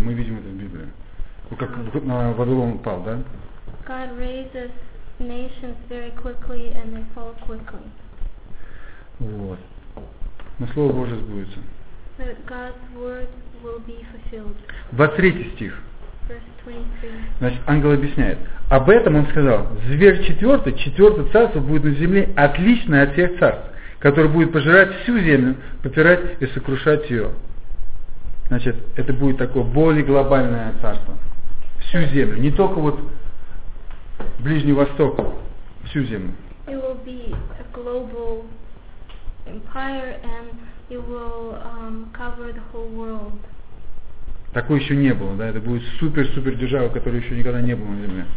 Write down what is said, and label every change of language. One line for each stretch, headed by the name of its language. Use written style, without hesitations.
Russian: Мы видим это в Библии. Как Вавилон упал, да?
English: God raises nations very quickly and they fall quickly.
Russian: Вот. Но Слово Божие сбудется.
English: God's word will be fulfilled.
Russian: 23 стих.
English: Verse 23.
Russian: Значит, ангел объясняет. Об этом он сказал. Зверь четвертый, четвертое царство будет на земле отличное от всех царств, которое будет пожирать всю землю, попирать и сокрушать ее. Значит, это будет такое более глобальное царство. Всю землю. Не только вот Ближний Восток, всю землю.
English: It will be a global empire and it will cover the whole world.
Russian: Такой еще не было, да? Это будет супер-супер держава, которая еще никогда не была на земле.